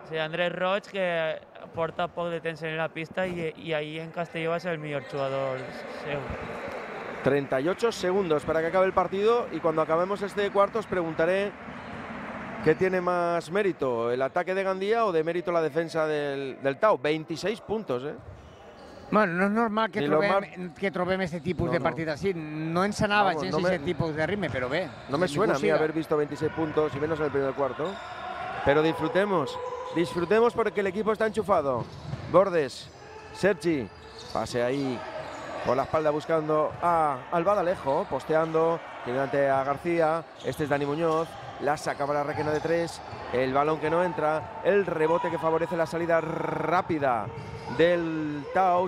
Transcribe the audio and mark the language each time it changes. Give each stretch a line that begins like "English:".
Catalan: Sí, Andrés Roig, que porta poc de temps en la pista i ahí en Castelló va ser el millor jugador seu.
Spanish: 38 segundos para que acabe el partido y cuando acabemos este cuarto os preguntaré qué tiene más mérito, el ataque de Gandía o de mérito la defensa del Tau. 26 puntos,
Catalan: Bueno, no és normal que trobem aquest tipus de partit així. No ens anava gens aquest tipus de ritme, però bé. No me suena a mi haver vist 26 punts i menys en el primer quart.
Spanish: Però disfrutemos.
Catalan: Disfrutemos perquè l'equip està enxufado.
Spanish: Bordes, Sergi, pase ahí por la espalda buscando a Albadalejo, posteando, tiene ante a García. Este es Dani Muñoz. La saca para Requena de 3. El balón que no entra. El rebote que favorece la salida rápida del Tau.